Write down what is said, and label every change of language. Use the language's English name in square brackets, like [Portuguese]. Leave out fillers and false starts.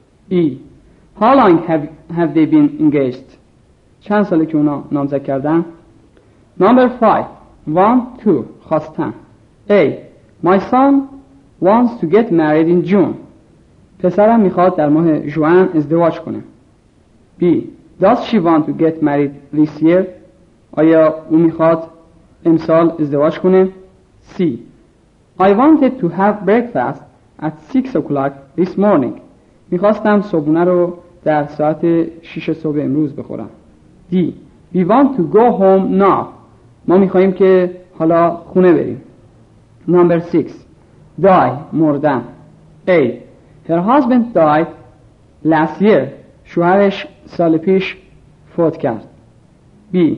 [English] E. How long have they been engaged? [Persian] چند ساله که اونا نامزد کردن؟ [English] Number 5. Want to. خواستن. A. My son wants to get married in June. [Persian] پسرم میخواد در ماه ژوئن ازدواج کنه. [English] B. Does she want to get married this year? [Persian] آیا او میخواد امسال ازدواج کنه؟ [English] C. I wanted to have breakfast at 6 o'clock this morning. [Persian] میخواستم صبحونه رو در ساعت 6 صبح امروز بخورم. [English] D. We want to go home now. [Persian] ما میخواییم که حالا خونه بریم. [English] Number 6. Die. مردن. A. Her husband died last year. [Persian] شوهرش سال پیش فوت کرد. [English] B.